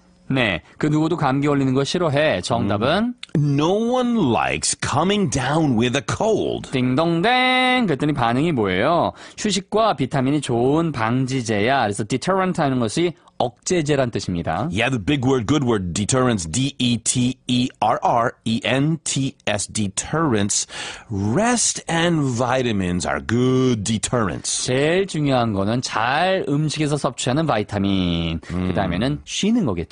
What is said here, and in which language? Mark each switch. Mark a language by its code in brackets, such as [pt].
[ko] 네, 그 누구도 감기 걸리는 거 싫어해. 정답은? [en] No one likes coming down with a cold. [ko] 띵동댕. 그랬더니 반응이 뭐예요? 휴식과 비타민이 좋은 방지제야. 그래서 deterrent 하는 것이 억제제란 뜻입니다. [en] Yeah, the big word, good word, deterrence, D-E-T-E-R-R-E-N-T-S, deterrence. Rest and vitamins are good deterrence. [ko] 제일 중요한 거는 잘 음식에서 섭취하는 비타민, 그 다음에는 쉬는 거겠죠.